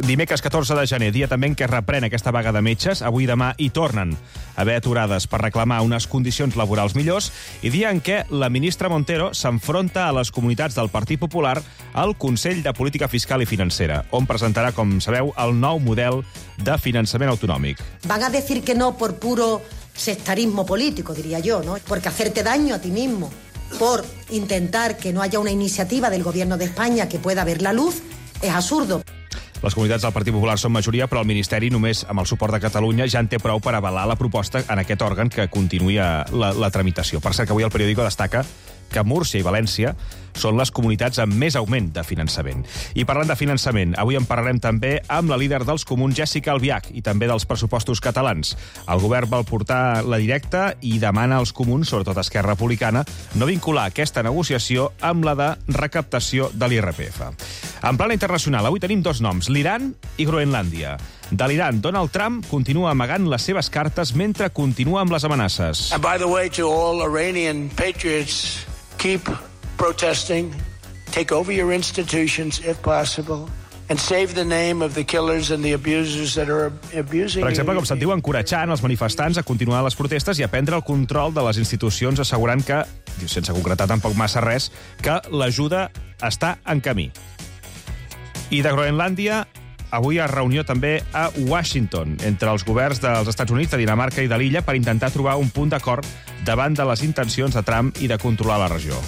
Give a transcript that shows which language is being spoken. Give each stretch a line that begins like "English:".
Catalan: Dimecres 14 de gener, dia també en què es reprèn aquesta vaga de metges. Avui i demà hi tornen a haver aturades per reclamar unes condicions laborals millors. I dia en què la ministra Montero s'enfronta a les comunitats del Partit Popular al Consell de Política Fiscal i Financera, on presentarà, com sabeu, el nou model de finançament autonòmic.
Spanish: Van a decir que no por puro sectarismo político, diría yo, ¿no? Porque hacerte daño a ti mismo por intentar que no haya una iniciativa del gobierno de España que pueda ver la luz, es absurdo.
Catalan: Les comunitats del Partit Popular són majoria, però el Ministeri, només amb el suport de Catalunya, ja en té prou per avalar la proposta en aquest òrgan que continuï la tramitació. Per cert, que avui el periòdico destaca que Múrcia i València són les comunitats amb més augment de finançament. I parlant de finançament, avui en parlarem també amb la líder dels comuns, Jéssica Albiach, i també dels pressupostos catalans. El govern vol portar la directa i demana als comuns, sobretot Esquerra Republicana, no vincular aquesta negociació amb la de recaptació de l'IRPF. En plan internacional, avui tenim dos noms, l'Iran i Groenlàndia. De l'Iran, Donald Trump continua amagant les seves cartes mentre continua amb les amenaces.
English: And by the way, to all Iranian patriots, keep protesting, take over your institutions if possible, and save the name of the killers and the abusers that are abusing you.
Catalan: Per exemple, com se'n diu, encoratjant els manifestants a continuar les protestes i a prendre el control de les institucions, assegurant que, sense concretar tampoc massa res, que l'ajuda està en camí. I de Groenlàndia, avui hi ha reunió també a Washington, entre els governs dels Estats Units, de Dinamarca i de l'illa, per intentar trobar un punt d'acord davant de les intencions de Trump i de controlar la regió.